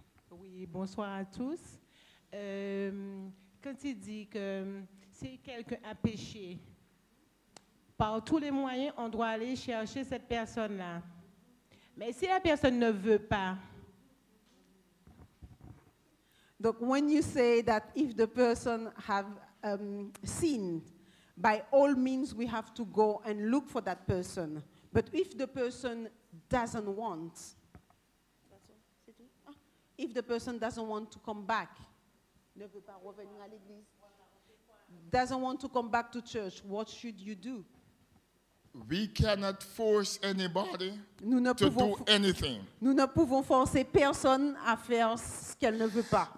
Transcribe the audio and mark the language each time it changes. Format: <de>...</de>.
<fr>Oui, bonsoir à tous. Quand il dit que si quelqu'un a péché, par tous les moyens, on doit aller chercher cette personne-là. Mais si la personne ne veut pas.</fr> <en>Donc, when you say that if the person have sinned, by all means, we have to go and look for that person. But if the person doesn't want, if the person doesn't want to come back,</en> <fr>ne veut pas revenir à l'église,</fr> <en>doesn't want to come back to church, what should you do? We cannot force anybody to do anything.</en> <fr>Nous ne pouvons forcer personne à faire ce qu'elle ne veut pas.</fr>